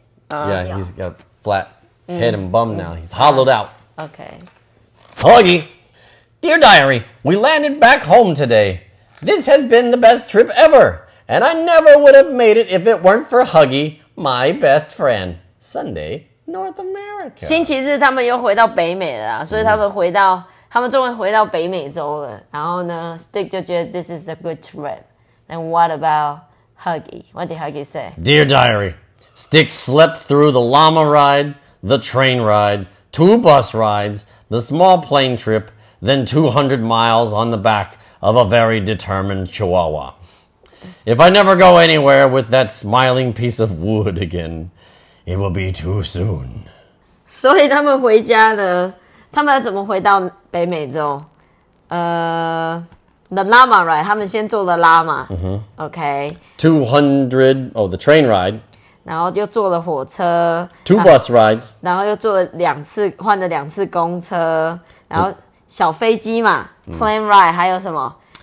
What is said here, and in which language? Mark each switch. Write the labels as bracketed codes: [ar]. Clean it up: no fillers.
[en] Yeah, he's got flat head and bum now. He's hollowed out. Okay. Huggie! Dear Diary, we landed back home today. This has been the best trip ever, and I never would have made it if it weren't for Huggie, my best friend. Sunday, North America. [zh] 星期日他们又回到北美了，所以他们回到，他们终于回到北美洲了。然后呢，Stick就觉得 [en] this is a good trip. And what about Huggie? What did Huggie say? Dear Diary, Stick slept through the llama ride, the train ride, two bus rides, the small plane trip, then 200 miles on the back of a very determined chihuahua. If I never go anywhere with that smiling piece of wood again, it will be too soon. [zh] 所以他们回家呢，他们要怎么回到北美洲？ [en] The llama ride, [zh] 他们先坐了 [en] llama. Okay. 200, the train ride. [zh] 然后又坐了火车 [en] ，two bus rides， [zh] 然后又坐了两次，换了两次公车，然后小飞机嘛 ， [en] plane ride， [zh] 还有什么